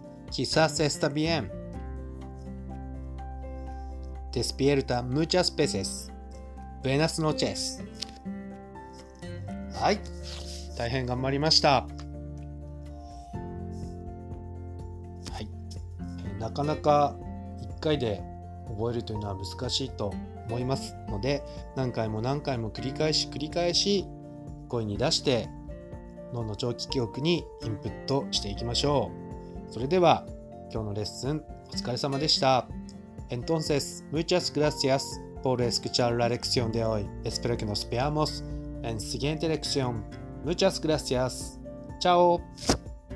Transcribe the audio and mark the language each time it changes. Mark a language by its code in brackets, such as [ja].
[es] Quizás está bien. Despierta muchas veces. Buenas noches. [ja] はい、大変頑張りました。なかなか1回で覚えるというのは難しいと思いますので、何回も何回も繰り返し繰り返し声に出して脳の長期記憶にインプットしていきましょう。それでは今日のレッスンお疲れ様でした。 [es] Entonces muchas gracias por escuchar la lección de hoy. Espero que nos veamos en siguiente lección. Muchas gracias. Chao.